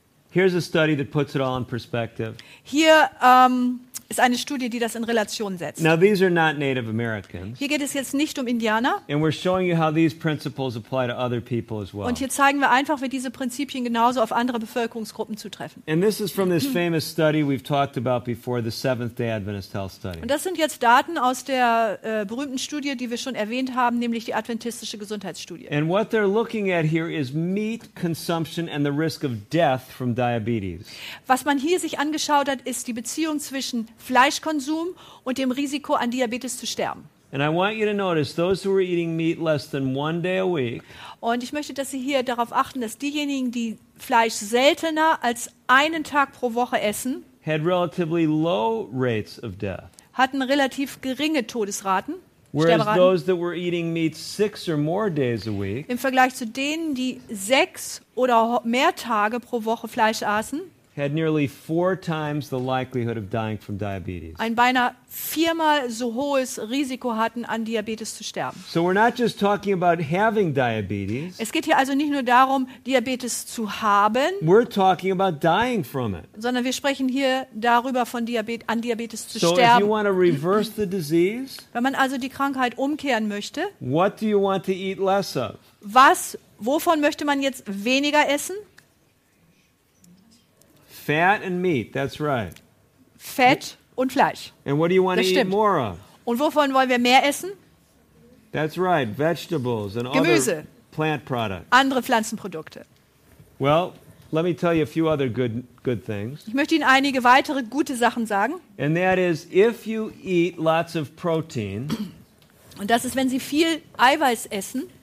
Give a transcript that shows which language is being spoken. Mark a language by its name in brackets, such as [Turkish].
[English] Here's a study that puts it all in perspective. [German] Hier ist eine Studie, die das in Relation setzt. [English] Now these are not Native Americans. [German] Hier geht es jetzt nicht um Indianer. [English] And we're showing you how these principles apply to other people as well. [German] Und hier zeigen wir einfach, wie diese Prinzipien genauso auf andere Bevölkerungsgruppen zutreffen. [English] And this is from this famous study we've talked about before, the Seventh-day Adventist Health Study. [German] Und das sind jetzt Daten aus der berühmten Studie, die wir schon erwähnt haben, nämlich die adventistische Gesundheitsstudie. [English] And what they're looking at here is meat consumption and the risk of death from diabetes. [German] Was man hier sich angeschaut hat, ist die Beziehung zwischen Fleischkonsum und dem Risiko, an Diabetes zu sterben. [English] And I want you to notice those who were eating meat less than one day a week. [German] Und ich möchte, dass Sie hier darauf achten, dass diejenigen, die Fleisch seltener als einen Tag pro Woche essen, [English] had relatively low rates of death. [German] Hatten relativ geringe Todesraten. [English] Whereas those that were eating meat six or more days a week. [German] Im Vergleich zu denen, die sechs oder mehr Tage pro Woche Fleisch aßen. [English] Had nearly four times the likelihood of dying from diabetes. [German] Ein beinahe viermal so hohes Risiko hatten, an Diabetes zu sterben. [English] So we're not just talking about having diabetes. [German] Es geht hier also nicht nur darum, Diabetes zu haben. [English] We're talking about dying from it. [German] Sondern wir sprechen hier darüber, von Diabetes zu so sterben. [English] So if you want to reverse the disease, [German] wenn man also die Krankheit umkehren möchte, [English] what do you want to eat less of? [German] Wovon möchte man jetzt weniger essen? [English] Fat and meat, that's right. [German] Fett und Fleisch. [English] And what do you want to eat more of? [German] Und wovon wollen wir mehr essen? [English] That's right, vegetables and [German] Gemüse. [English] Other plant products. [German] Andere Pflanzenprodukte. [English] Well, let me tell you a few other good things. [German] Ich möchte Ihnen einige weitere gute Sachen sagen. [English] And that is, if you eat lots of protein. [German] Und das ist, wenn Sie viel Eiweiß essen.